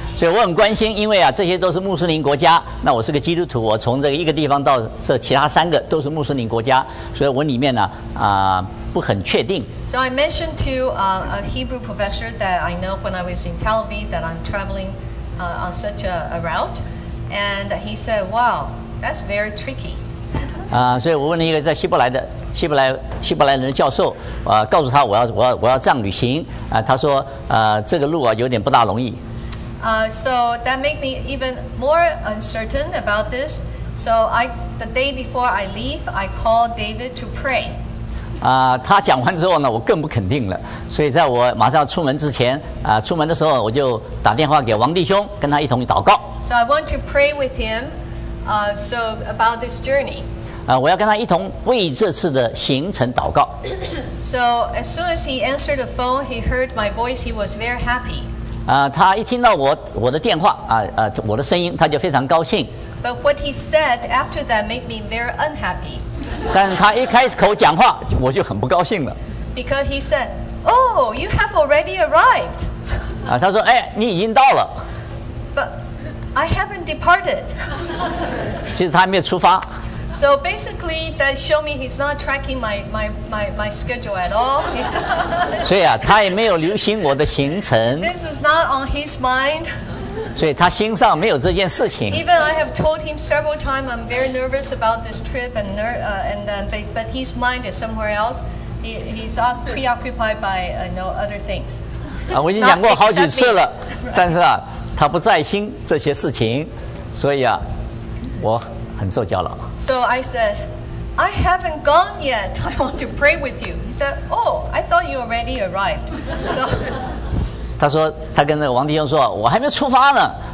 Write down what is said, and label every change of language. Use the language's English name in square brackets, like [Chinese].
[Chinese] 所以我很关心，因为啊，这些都是穆斯林国家。那我是个基督徒，我从这个一个地方到这其他三个都是穆斯林国家，所以我里面呢不很确定。 [English] So I mentioned to a Hebrew professor that I know when I was in Tel Aviv that I'm traveling on such a route, and he said, "Wow, that's very tricky." [Chinese] 所以我问了一个在希伯来人的教授，告诉他我要这样旅行，他说这个路啊有点不大容易。 [English] So that made me even more uncertain about this. So the day before I leave, I called David to pray. [Chinese] 他讲完之后呢，我更不肯定了。所以在我马上出门之前，出门的时候我就打电话给王弟兄，跟他一同祷告。 [English] So I want to pray with him, so about this journey. [Chinese] 我要跟他一同为这次的行程祷告。 [English] So as soon as he answered the phone, he heard my voice. He was very happy. [Chinese] 他一听到我的电话我的声音，他就非常高兴。 [English] But what he said after that made me very unhappy. [Chinese] 但他一开口讲话，我就很不高兴了。 [English] Because he said, "Oh, you have already arrived." [Chinese] 他说，哎，你已经到了。 [English] But I haven't departed. [Chinese] 其实他还没有出发。 [English] So basically, that showed me he's not tracking my schedule at all. [Chinese] 所以啊，他也没有留心我的行程。 [English] This is not on his mind. [Chinese] 所以他心上没有这件事情。 [English] Even I have told him several times I'm very nervous about this trip and but his mind is somewhere else. He's preoccupied by other things. [Chinese] 啊，我已经讲过好几次了，但是啊，他不在心这些事情，所以啊，我很受教了。 [English] So I said, I haven't gone yet. I want to pray with you. He said, Oh, I thought you already arrived. So. [Chinese] 他说，他跟那个王弟兄说，我还没出发呢。